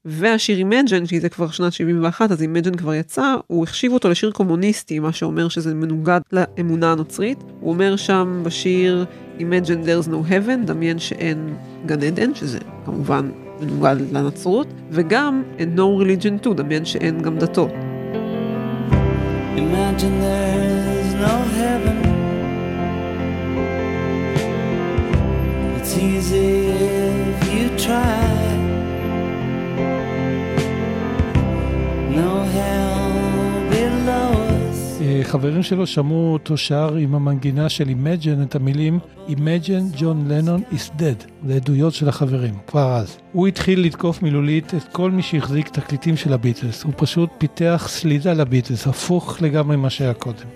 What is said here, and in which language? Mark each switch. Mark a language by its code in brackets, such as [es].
[he] והשיר Imagine, שזה כבר שנת 71, אז Imagine כבר יצא, הוא החשיב אותו לשיר קומוניסטי, מה שאומר שזה מנוגד לאמונה הנוצרית. הוא אומר שם בשיר [en] Imagine there's no heaven, [he] דמיין שאין גן עדן, שזה כמובן מנוגד לנצרות, וגם [en] and no religion too, [he] דמיין שאין גם דתות. [en] Imagine there's no heaven, it's easy if you try, no hell below. [he] חברים שלו שמעו אותו שר עם המנגינה של Imagine את המילים [en] Imagine John Lennon is dead, [he] לעדויות של החברים, כבר אז. הוא התחיל לתקוף מילולית את כל מי שהחזיק תקליטים של הביטלס, הוא פשוט פיתח סלידה לביטלס, הפוך לגמרי מה שהיה קודם.